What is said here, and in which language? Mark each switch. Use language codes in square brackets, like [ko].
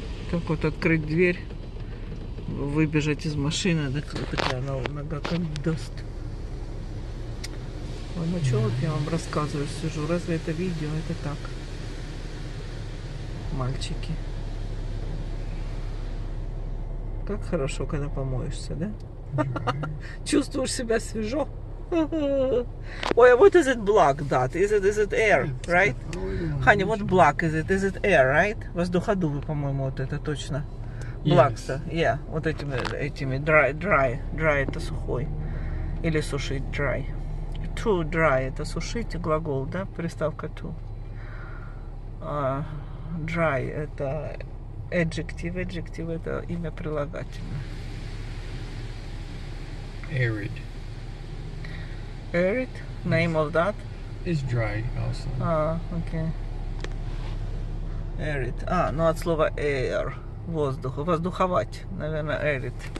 [ru] Так вот открыть дверь, выбежать из машины, да, такая нога как даст. Ой, ну что вот я вам рассказываю, сижу, разве это видео, это так. Мальчики. Как хорошо, когда помоешься, да? Mm-hmm. Чувствуешь себя свежо. [en] Ой, what is it black, that? Is it air, right? Honey, what black is it? Is it air, right? [ru] Воздуходувы, по-моему, вот это точно. [en] Black-то, yeah. [ru] Вот этими dry, это сухой. Или сушить, dry. To dry, это сушить, глагол, да? Приставка to. dry – это adjective. Adjective – это имя прилагательное. [en] Arid. Arid? Name of that? Is dry also. Okay. Arid. [ru] Ну от слова air – воздух. Воздуховать, наверное, arid.